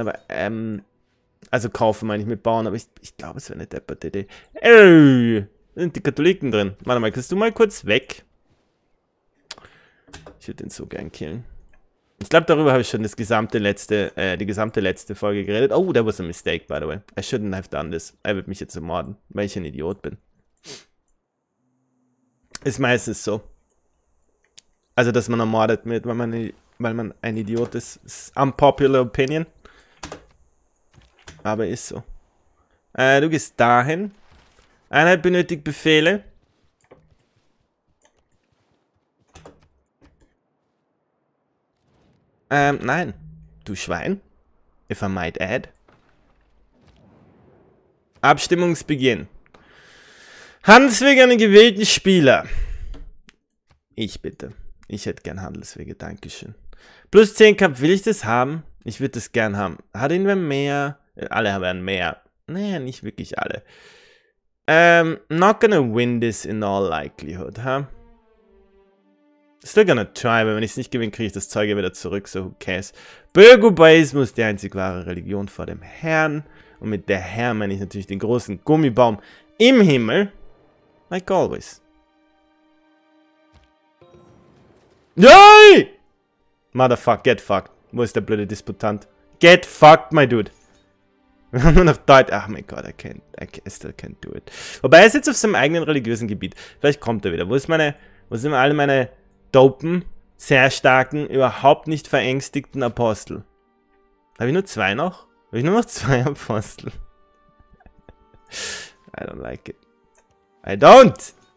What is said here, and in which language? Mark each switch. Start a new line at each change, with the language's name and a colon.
German: Aber, also kaufen meine ich mit bauen, aber ich glaube, es wäre eine depperte Idee. Sind die Katholiken drin? Warte mal, kannst du mal kurz weg? Ich würde den so gern killen. Ich glaube, darüber habe ich schon die gesamte letzte Folge geredet.
English: Oh, that was a mistake, by the way. I shouldn't have done this.
German: Er wird mich jetzt ermorden, weil ich ein Idiot bin. Ist meistens so. Also, dass man ermordet wird, weil man ein Idiot ist. Ist
English: unpopular opinion.
German: Aber ist so. Du gehst dahin. Einheit benötigt Befehle. Nein. Du Schwein.
English: If I might add.
German: Abstimmungsbeginn. Handelswege an den gewählten Spieler. Ich bitte. Ich hätte gern Handelswege, dankeschön. Plus 10 Cup, will ich das haben? Ich würde das gern haben. Hat ihn wer mehr? Alle haben mehr. Naja, nicht wirklich alle.
English: Not gonna win this in all likelihood, huh? Still gonna try,
German: aber wenn ich es nicht gewinne, kriege ich das Zeug wieder zurück,
English: so who cares.
German: Bürgerbaismus, die einzig wahre Religion vor dem Herrn. Und mit der Herr meine ich natürlich den großen Gummibaum im Himmel.
English: Like always. Yay! Motherfuck, get fucked.
German: Wo ist der blöde Disputant?
English: Get fucked, my dude.
German: Wir haben nur noch Deutsch. Ach mein Gott,
English: I still can't do it.
German: Wobei, er ist jetzt auf seinem eigenen religiösen Gebiet. Vielleicht kommt er wieder. Wo sind alle meine Dopen? sehr starken, überhaupt nicht verängstigten Apostel. Habe ich nur zwei noch? Habe ich nur noch zwei Apostel?
English: I don't like it. I don't!